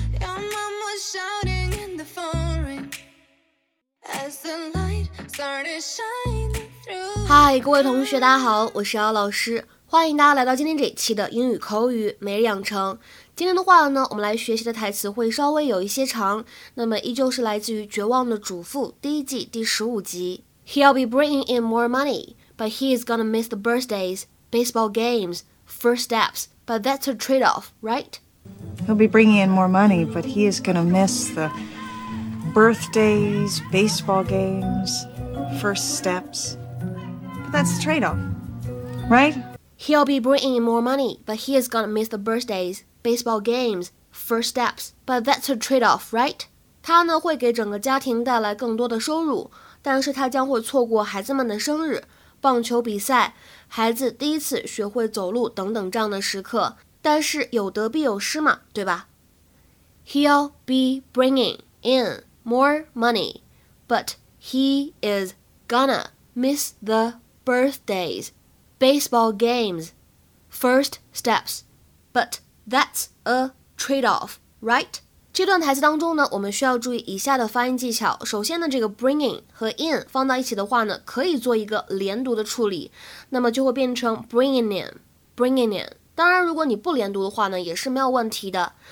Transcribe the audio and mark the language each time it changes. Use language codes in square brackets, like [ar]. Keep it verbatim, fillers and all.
[en] Your mom was shouting in the phone ring as the light started shining through. [zh] 嗨，各位同学，大家好，我是姚老师，欢迎大家来到今天这一期的英语口语每日养成。今天的话呢，我们来学习的台词会稍微有一些长，那么依旧是来自于《绝望的主妇》第一季第十五集。 [en] He'll be bringing in more money, but he is gonna miss the birthdays. Baseball games, first steps, but that's a trade-off, right? He'll be bringing in more money, but he is going to miss the birthdays, baseball games, first steps. But that's a trade-off, right? He'll be bringing in more money, but he is going to miss the birthdays, baseball games, first steps, but that's a trade-off, right? [zh] 他呢会给整个家庭带来更多的收入，但是他将会错过孩子们的生日。棒球比赛，孩子第一次学会走路等等这样的时刻，但是有得必有失嘛，对吧？ [en] He'll be bringing in more money, but he is gonna miss the birthdays, baseball games, first steps, but that's a trade-off, right? [zh] 这段台词当中呢，我们需要注意以下的发音技巧。首先呢，这个 bringing 和 in 放到一起的话呢，可以做一个连读的处理，那么就会变成 bringing in, bringing in。当然，如果你不连读的话呢，也是没有问题的。